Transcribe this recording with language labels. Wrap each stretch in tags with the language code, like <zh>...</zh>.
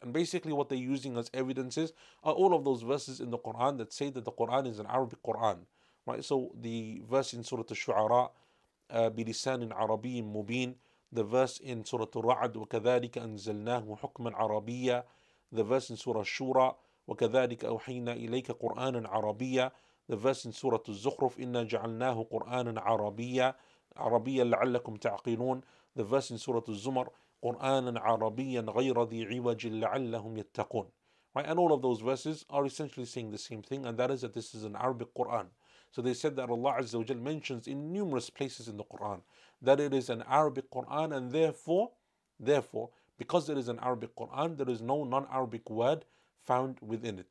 <en>And basically what they're using as evidences are all of those verses in the Quran that say that the Quran is an Arabic Quran. Right? So the verse in Surah Al-Shu'ara,</en> <ar>Bilisanin Arabiyin Mubin,</ar> <en>the verse in Surah Al-Ra'd,</en> <ar>وَكَذَلِكَ أَنزَلْنَاهُ حُكْمًا عَرَبِيًّا.</ar> <en>The verse in Surah Shura,</en> <ar>وَكَذَلِكَ أَوْحَيْنَا إِلَيْكَ قُرْآنًا عَرَبِيًّا.</ar> <en>The verse in Surah Al-Zukhruf,</en> <ar>إِنَّا جَعَلْنَاهُ قُرْآنًا عَرَبِيًّا لَعَلَّكُمْ تَعْقِلُونَ.</ar> <en>The verse in Surah Al-Zumar,</en> <ar>قُرْآنًا عَرَبِيًّا غَيْرَ ذِي عِوَجٍ لَعَلَّهُمْ يَتَّقُونَ.</ar> <en>Right, and all of those verses are essentially saying the same thing, and that is that this is an Arabic Quran. So they said that Allah Azza wa Jal mentions in numerous places in the Quran that it is an Arabic Quran, and therefore, because it is an Arabic Quran, there is no non-Arabic word found within it.</en>